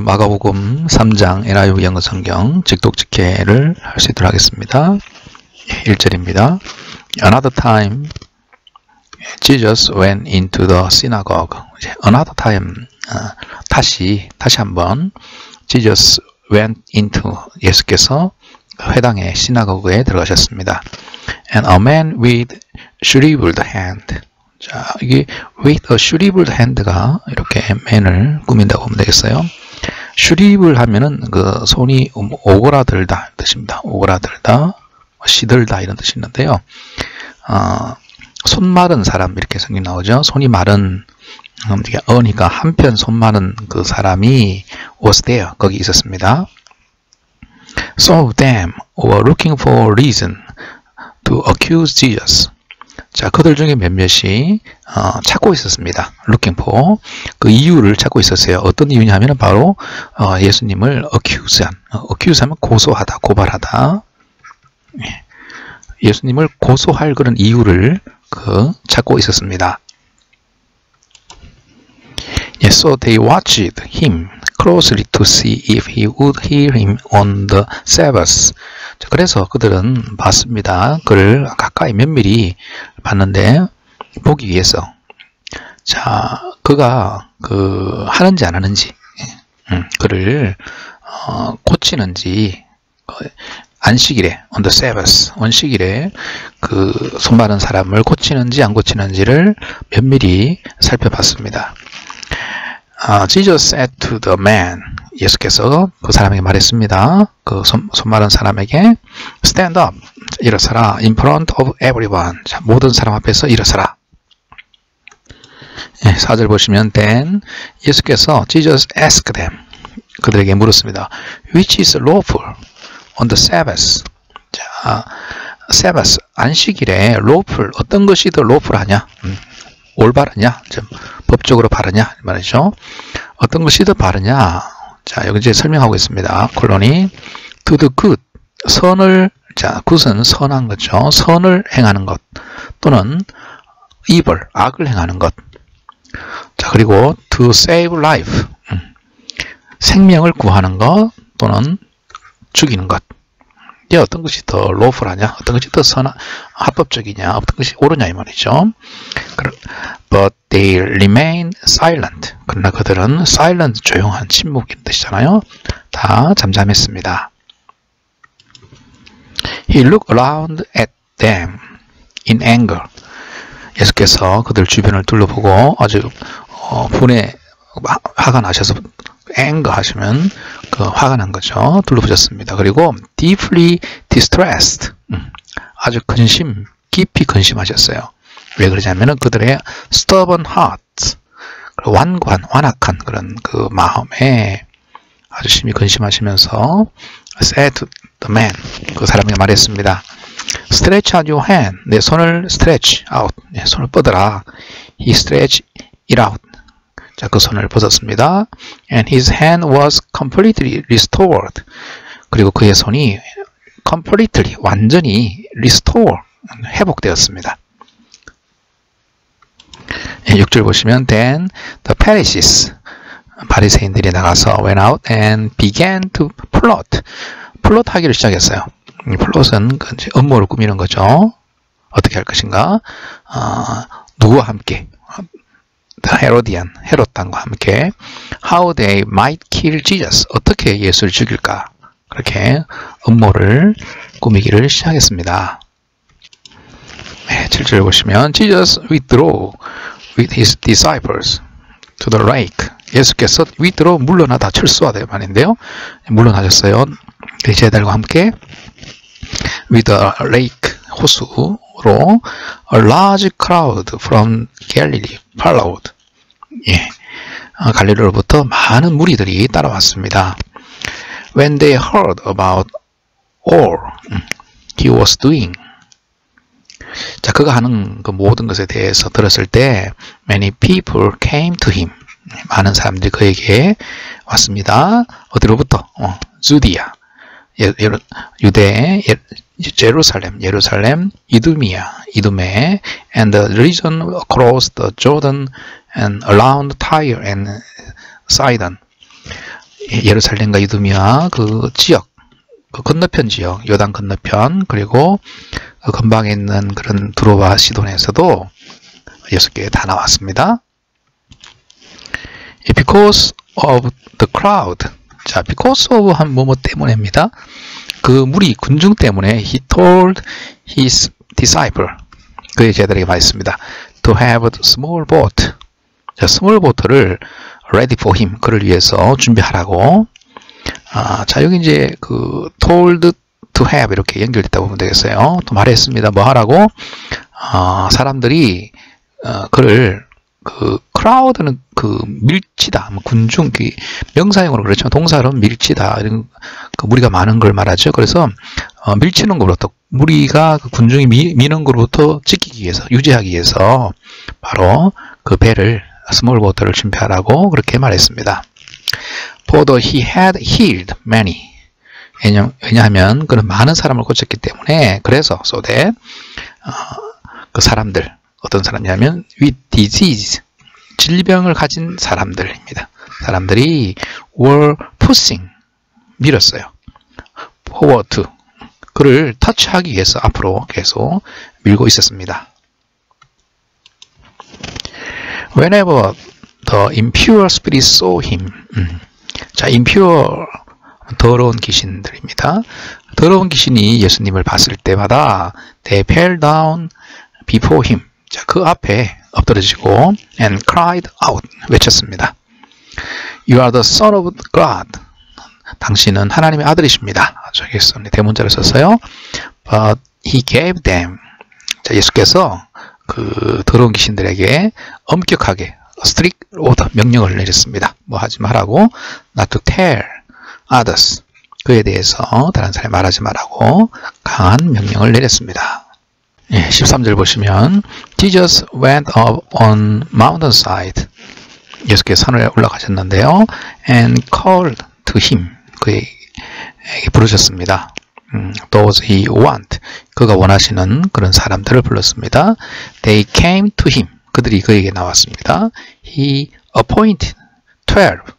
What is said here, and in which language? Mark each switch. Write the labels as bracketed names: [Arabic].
[Korean] 마가복음 3장 NIV 영어성경 직독직해를 할수 있도록 하겠습니다. 1절입니다. [English] Another time, Jesus went into the synagogue. Another time, [Korean] 다시 한번, [English] Jesus went into, [Korean] 예수께서 회당의 시나고그에 들어가셨습니다. [English] And a man with shriveled hand. [Korean] 자, 이게 with a shriveled hand가 이렇게 man을 꾸민다고 보면 되겠어요. shrivel 하면은 그 손이 오그라들다 뜻입니다. 오그라들다, 시들다 이런 뜻이 있는데요. 손 마른 사람 이렇게 성경 나오죠. 손이 마른, 어떻게 어니까 한편 손 마른 그 사람이 [English] was there, [Korean] 거기 있었습니다. [English] Some of them were looking for a reason to accuse Jesus. [Korean] 자, 그들 중에 몇몇이 찾고 있었습니다. Looking for 그 이유를 찾고 있었어요. 어떤 이유냐면은 바로 예수님을 accuse한, accuse하면 고소하다, 고발하다. 예수님을 고소할 그런 이유를 찾고 있었습니다. [English] Yes, so they watched him closely to see if he would heal him on the Sabbath. [Korean] 자, 그래서 그들은 봤습니다. 그를 가까이 면밀히 봤는데, 보기 위해서. 자, 그가 하는지 안 하는지, 그를 고치는지, 안식일에, on the Sabbath, 안식일에 손 마른 사람을 고치는지 안 고치는지를 면밀히 살펴봤습니다. [English] Jesus said to the man, [Korean] 예수께서 그 사람에게 말했습니다. 그 손 마른 사람에게, [English] stand up, [Korean] 일어서라, [English] in front of everyone, [Korean] 자, 모든 사람 앞에서 일어서라. 예, 4절 보시면, then, 예수께서 [English] Jesus asked them, [Korean] 그들에게 물었습니다. [English] Which is lawful on the Sabbath? [Korean] 자, Sabbath, 안식일에 lawful, 어떤 것이 더 lawful하냐? 올바르냐? 좀 법적으로 바르냐? 말이죠. 어떤 것이 더 바르냐? 자, 여기 이제 설명하고 있습니다. 콜론이 to the good, 선을, 자, good은 선한 거죠. 선을 행하는 것, 또는 evil, 악을 행하는 것. 자, 그리고 to save life, 생명을 구하는 것, 또는 죽이는 것. 이게 어떤 것이 더 lawful하냐? 어떤 것이 더 선한, 합법적이냐? 어떤 것이 옳으냐? 이 말이죠. [English] But they remain silent. [Korean] 그러나 그들은 silent, 조용한, 침묵인 뜻이잖아요. 다 잠잠했습니다. [English] He looked around at them in anger. [Korean] 예수께서 그들 주변을 둘러보고 아주 분에 화가 나셔서 anger 하시면 화가 난 거죠. 둘러보셨습니다. [English] 그리고 deeply distressed. [Korean] 아주 근심, 깊이 근심하셨어요. 왜 그러냐면은 그들의 stubborn hearts, 완악한 그런 그 마음에 아주 심히 근심하시면서 [English] said to the man, [Korean] 그 사람에게 말했습니다. [English] Stretch out your hand, 내 손을 stretch out, [Korean] 내 손을 뻗어라. [English] He stretched it out. [Korean] 자, 그 손을 벗었습니다. [English] And his hand was completely restored. [Korean] 그리고 그의 손이 completely, 완전히 restored, 회복되었습니다. 6절 보시면, [English] then the Pharisees, [Korean] 바리새인들이 나가서 [English] went out and began to plot. [Korean] plot 하기를 시작했어요. plot은 음모를 꾸미는 거죠. 어떻게 할 것인가? 누구와 함께? The Herodian, 헤롯당과 함께. [English] How they might kill Jesus. [Korean] 어떻게 예수를 죽일까? 그렇게 음모를 꾸미기를 시작했습니다. [English] 7절 보시면, Jesus withdrew with his disciples to the lake. [Korean] 예수께서 위드로 물러나다, 철수하다의 말인데요. 물러나셨어요. 제자들과 함께 [English] with a lake, 호수로 a large crowd from Galilee followed. [Korean] 예. 갈릴리로부터 많은 무리들이 따라왔습니다. [English] When they heard about all he was doing. [Korean] 자, 그가 하는 그 모든 것에 대해서 들었을 때, [English] many people came to him. [Korean] 많은 사람들이 그에게 왔습니다. 어디로부터? [English] 주디아, 유대, 예루살렘, 이두미아, 이두메, and the region across the Jordan and around Tyre and Sidon. [Korean] 예루살렘과 이두미아 그 지역, 그 건너편 지역, 요단 건너편, 그리고 그 근방에 있는 그런 두로와 시돈에서도 여섯 개 다 나왔습니다. [English] Because of the crowd. [Korean] 자, because of 한 뭐뭐 때문입니다. 그 무리, 군중 때문에 [English] he told his disciple, [Korean] 그의 제자들에게 말했습니다. [English] To have a small boat. 자, small boat를 ready for him. [Korean] 그를 위해서 준비하라고. 아, 자, 여기 이제 그 told to have 이렇게 연결됐다고 보면 되겠어요. 또 말했습니다. 뭐 하라고? 아, 사람들이 그를 그 crowd는 그 밀치다, 뭐 군중, 그 명사형으로 그렇지만 동사로는 밀치다, 이런 그 무리가 많은 걸 말하죠. 그래서 밀치는 것부터 무리가 그 군중이 미는 것부터 지키기 위해서, 유지하기 위해서 바로 그 배를 스몰 보트를 준비하라고 그렇게 말했습니다. [English] For though he had healed many. [Korean] 왜냐하면 그는 많은 사람을 고쳤기 때문에 그래서 so that 그 사람들. 어떤 사람이냐면 with disease, 질병을 가진 사람들입니다. 사람들이 were pushing, 밀었어요. forward to, 그를 터치하기 위해서 앞으로 계속 밀고 있었습니다. [English] Whenever the impure spirit saw him, 자, impure, [Korean] 더러운 귀신들입니다. 더러운 귀신이 예수님을 봤을 때마다 [English] they fell down before him. [Korean] 자, 그 앞에 엎드려지고 [English] and cried out, [Korean] 외쳤습니다. [English] You are the son of God. [Korean] 당신은 하나님의 아들이십니다. 저기 대문자를 썼어요. [English] But he gave them. [Korean] 자, 예수께서 그 더러운 귀신들에게 엄격하게 strict order, 명령을 내렸습니다. 뭐 하지 말라고, [English] not to tell others. [Korean] 그에 대해서 다른 사람이 말하지 말라고 강한 명령을 내렸습니다. 13절 보시면 [English] Jesus went up on mountainside. [Korean] 예수께서 산에 올라가셨는데요. [English] And called to him. [Korean] 그에게 부르셨습니다. [English] Those he want. [Korean] 그가 원하시는 그런 사람들을 불렀습니다. [English] They came to him. [Korean] 그들이 그에게 나왔습니다. [English] He appointed 12.